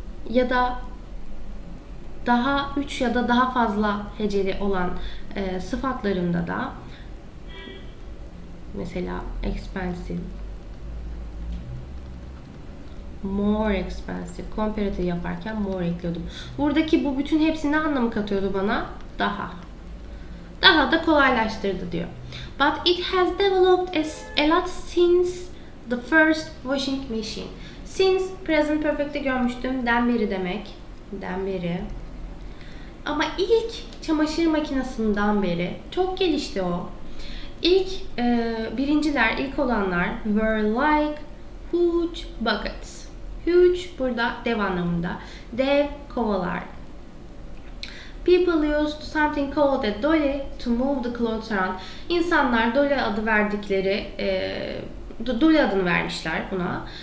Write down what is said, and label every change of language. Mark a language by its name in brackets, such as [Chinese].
[Turkish] Ya da daha 3 ya da daha fazla heceli olan sıfatlarında da Mesela [English] expensive, more expensive. [Turkish] Comparative yaparken more ekliyordum. Buradaki bu bütün hepsi ne anlamı katıyordu bana? Daha. Daha da kolaylaştırdı diyor. [English] But it has developed a lot since the first washing machine. [Turkish] Since present perfect'te görmüştüm. Den beri demek. Den beri. Ama ilk çamaşır makinesinden beri çok gelişti o. İlk birinciler, ilk olanlar [English] were like huge buckets. [Turkish] Huge burada dev anlamında. Dev kovalar. [English] People used something called a dolly to move the clothes around. [Turkish] İnsanlar dolly adı verdikleri, dolly adını vermişler buna.